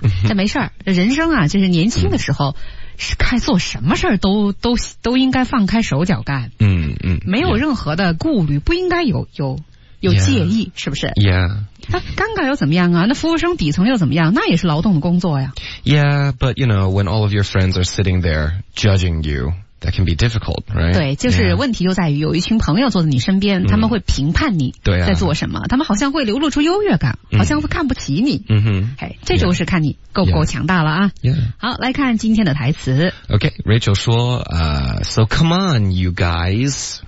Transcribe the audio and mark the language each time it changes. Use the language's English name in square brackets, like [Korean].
[Chinese] 但没事儿，人生啊就是年轻的时候、是该做什么事儿都应该放开手脚干嗯嗯，没有任何的顾虑、 yeah. 不应该有介意、yeah. 是不是 Yeah、啊、尴尬又怎么样啊那服务生底层又怎么样那也是劳动的工作呀 [English] Yeah but you know when all of your friends are sitting there judging youThat can be difficult, right? [Chinese] 对，就是问题就在于有一群朋友坐在你身边、他们会评判你在做什么、啊、他们好像会流露出优越感、好像会看不起你。嗯哼， hey, 这就是看你够不够强大了啊。 Yeah. 好，来看今天的台词。 [English] Okay, Rachel 说、So come on, you guys.